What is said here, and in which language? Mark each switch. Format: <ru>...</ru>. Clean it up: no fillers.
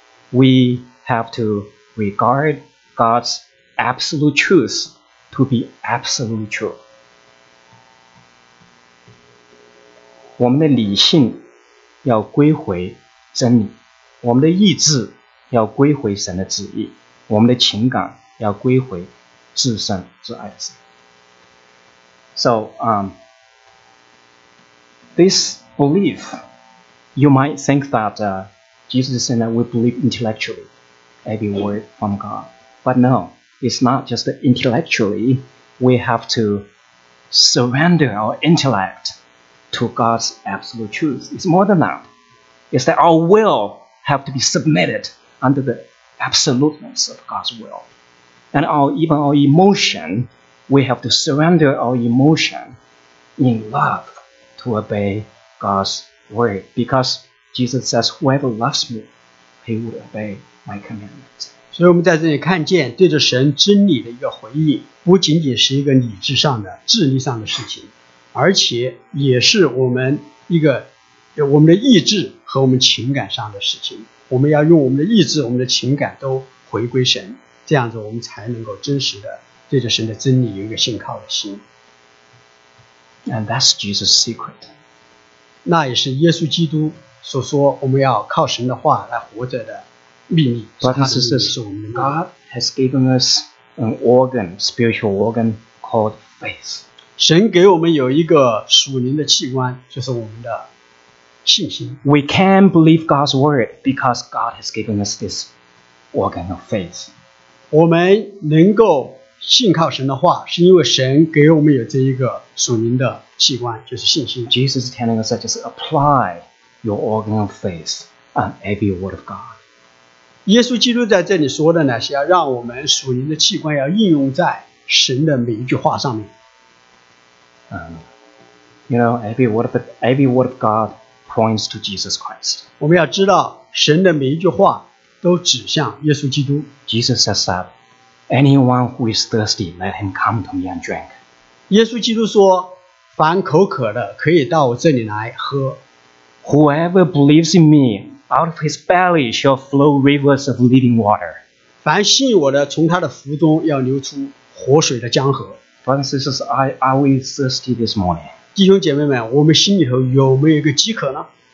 <en>We have to regard God's absolute truth to be absolutely true.</en> <zh>我们的理性要归回真理，我们的意志要归回神的旨意，我们的情感要归回至圣至爱的神。</zh> <en>So, this belief, you might think that Jesus is saying that we believe intellectually every word from God. But no, it's not just intellectually. We have to surrender our intellect to God's absolute truth. It's more than that. It's that our will have to be submitted under the absoluteness of God's will. And even our emotion, we have to surrender our emotion in love to obey God's word, because Jesus says, whoever loves me, he will obey my commandment.</en> <zh>所以我们在这里看见，对着神真理的一个回应，不仅仅是一个理智上的、智力上的事情，而且也是我们一个我们的意志和我们情感上的事情。我们要用我们的意志、我们的情感都回归神，这样子我们才能够真实的对着神的真理有一个信靠的心。</zh> <en>And that's Jesus' secret.</en> <zh>那也是耶稣基督所说我们要靠神的话来活着的秘密。</zh> <en>Brothers and sisters, God has given us an organ, spiritual organ called faith.</en> <zh>神给我们有一个属灵的器官，就是我们的信心。</zh> <en>We can believe God's word because God has given us this organ of faith.</en> <zh>我们能够信靠神的话，是因为神给我们有这一个属灵的器官，就是信心。</zh> <en>Jesus is telling us that just apply your organ of faith on every word of God.</en> <zh>耶稣基督在这里说的呢，是要让我们属灵的器官要应用在神的每一句话上面。</zh> <en>You know, every word of God points to Jesus Christ.</en> <zh>我们要知道，神的每一句话都指向耶稣基督。</zh> <en>Jesus says that anyone who is thirsty, let him come to me and drink.</en> <zh>耶稣基督说，凡口渴的可以到我这里来喝。</zh> <en>Whoever believes in me, out of his belly shall flow rivers of living water.</en> <zh>凡信我的，从他的腹中要流出活水的江河。</zh> <en>Brothers and sisters, are we thirsty this morning?</en> <zh>弟兄姐妹们, 我们心里头有没有一个饥渴呢?</zh>